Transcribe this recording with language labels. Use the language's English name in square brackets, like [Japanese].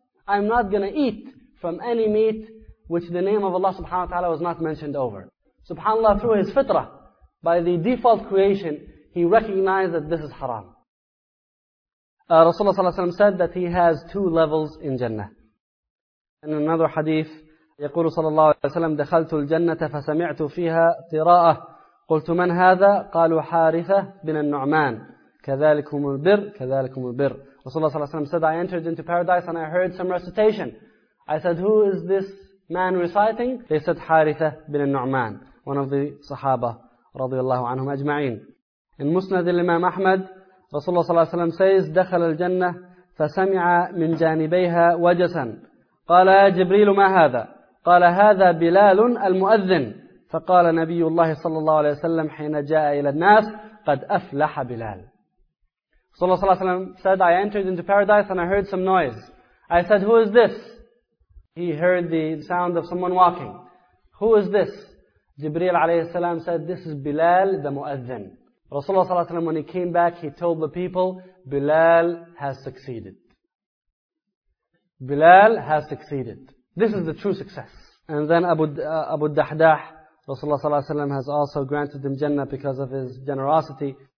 [English] I'm not going to eat from any meat which the name of Allah subhanahu wa ta'ala was not mentioned over. Subhanallah, through his fitrah, by the default creation, he recognized that this is haram. Rasulullah sallallahu alaihi wasallam said that he has two levels in Jannah. In another hadith, [Arabic] يقول صلى الله عليه وسلم دخلت الجنة فسمعت فيها قراءة قلت من هذا قالوا حارثة بن النعمان كذلكم البر كذلكم البر. [English] Rasulullah sallallahu alaihi wasallam said, I entered into paradise and I heard some recitation. I said, who is this man reciting? They said, حارثة بن النعمان, one of the صحابة [Arabic] رضي الله عنهم أجمعين. [English] In Musnad al-Imam Ahmad, Rasulullah sallallahu alaihi wasallam says, [Arabic] دخل الجنة فسمع من جانبيها وجسا قال يا جبريل ما هذا قال هذا بلال المؤذن فقال نبي الله صلى الله عليه وسلم حين جاء إلى الناس قد أفلح بلال. صلى الله عليه وسلم [English] said, I entered into paradise and I heard some noise. I said, who is this? He heard the sound of someone walking. Who is this? جبريل [Arabic] عليه السلام [English] said, this is بلال the مؤذن. رسول الله [Arabic] صلى الله عليه وسلم [English] when he came back, he told the people, بلال has succeeded. Bilal has succeeded. This is the true success. And then Abu Dahdah, Rasulullah sallallahu alayhi wa sallam, has also granted him Jannah because of his generosity.